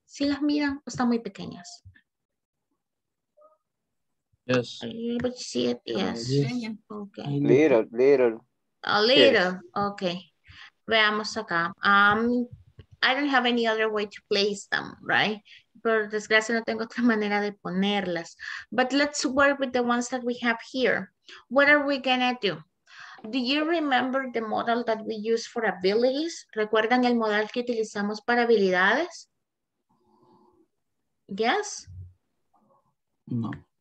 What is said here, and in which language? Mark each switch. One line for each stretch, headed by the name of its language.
Spanish: Si las miran, están muy pequeñas.
English: Yes. Are you able to see it? Yes. Okay. A little.
Spanish: Okay. Veamos acá.
English: I don't have any other way to place them, right?
Spanish: Por desgracia no tengo otra manera de ponerlas.
English: But let's work with the ones that we have here. What are we gonna do? Do you remember the model that we use for abilities?
Spanish: ¿Recuerdan el modal que utilizamos para habilidades? Yes? No.